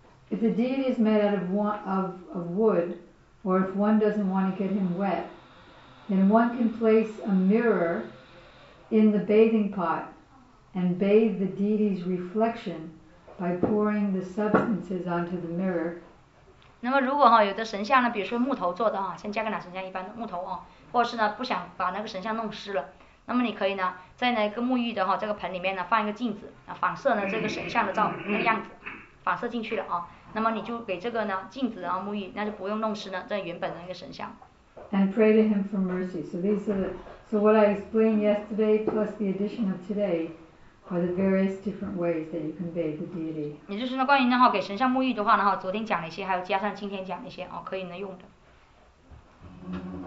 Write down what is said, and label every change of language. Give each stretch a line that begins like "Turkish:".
English: If the deity is made out of wood, or if one doesn't want to get him wet, then one can place a mirror in the bathing pot and bathe the deity's reflection by pouring the substances onto the mirror.
Chinese: 那么如果哈有的神像呢，比如说木头做的哈，像加格纳神像一般的木头啊，或是呢不想把那个神像弄湿了，那么你可以呢在那个沐浴的哈这个盆里面呢放一个镜子，反射呢这个神像的照那个样子，反射进去了啊。那么你就给这个呢镜子啊沐浴，那就不用弄湿呢这原本的那个神像。
English: And pray to him for mercy. So these are the, so what I explained yesterday plus the addition of today are the various different ways that you can bathe the deity.
Chinese: 也就是呢关于呢哈给神像沐浴的话呢哈，昨天讲了一些，还有加上今天讲了一些哦，可以呢用的。